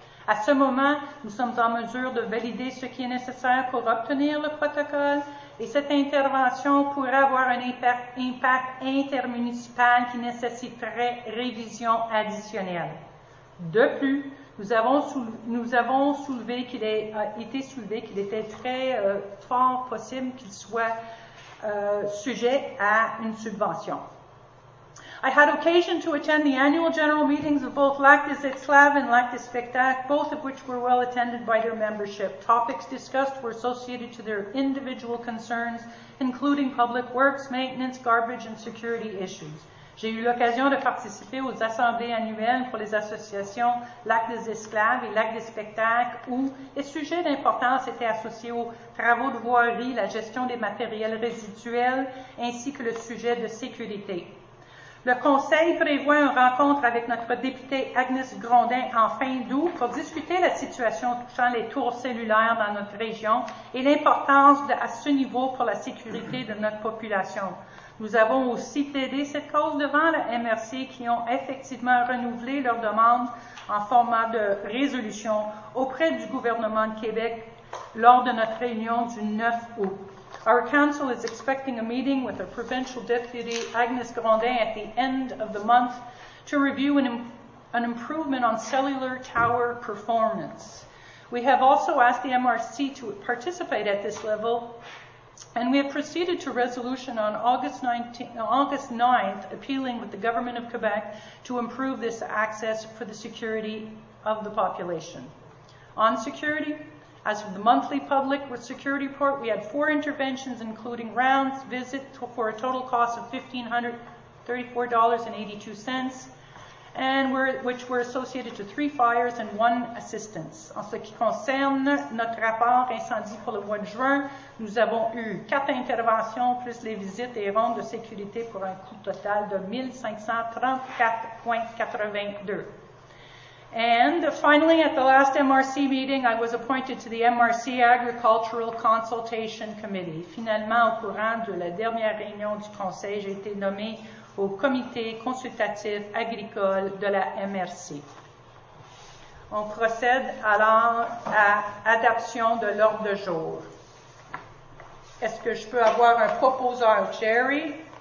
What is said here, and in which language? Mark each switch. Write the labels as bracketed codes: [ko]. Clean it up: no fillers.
[fr] À ce moment, nous sommes en mesure de valider ce qui est nécessaire pour obtenir le protocole, et cette intervention pourrait avoir un impact intermunicipal qui nécessiterait révision additionnelle. De plus, nous avons soulevé qu'il était très fort possible qu'il soit sujet à une subvention. [en] I had occasion to attend the annual general meetings of both Lac des Etslaves and Lac des Spectacles, both of which were well attended by their membership. Topics discussed were associated to their individual concerns, including public works, maintenance, garbage, and security issues. [fr] J'ai eu l'occasion de participer aux assemblées annuelles pour les associations Lac des Esclaves et Lac des Spectacles où les sujets d'importance étaient associés aux travaux de voirie, la gestion des matériels résiduels, ainsi que le sujet de sécurité. Le Conseil prévoit une rencontre avec notre députée Agnès Grondin en fin d'août pour discuter la situation touchant les tours cellulaires dans notre région et l'importance à ce niveau pour la sécurité de notre population. Nous avons aussi plaidé cette cause devant la MRC qui ont effectivement renouvelé leur demande en format de résolution auprès du gouvernement de Québec lors de notre réunion du 9 août. [en] Our council is expecting a meeting with our provincial deputy, Agnès Grondin, at the end of the month to review an improvement on cellular tower performance. We have also asked the MRC to participate at this level, and we have proceeded to resolution on August 9th, appealing with the Government of Quebec to improve this access for the security of the population. On security, as for the monthly public security report, we had 4 interventions, including rounds, visits, for a total cost of $1,534.82, and which were associated to 3 fires and 1 assistance. [fr] En ce qui concerne notre rapport incendie pour le mois de juin, nous avons eu 4 interventions plus les visites et rondes de sécurité pour un coût total de 1534.82. [en] And finally, at the last MRC meeting, I was appointed to the MRC Agricultural Consultation Committee. [fr] Finalement, au courant de la dernière réunion du conseil, j'ai été nommée au comité consultatif agricole de la MRC. On procède alors à adoption de l'ordre de jour. Est-ce que je peux avoir un proposeur, Jerry?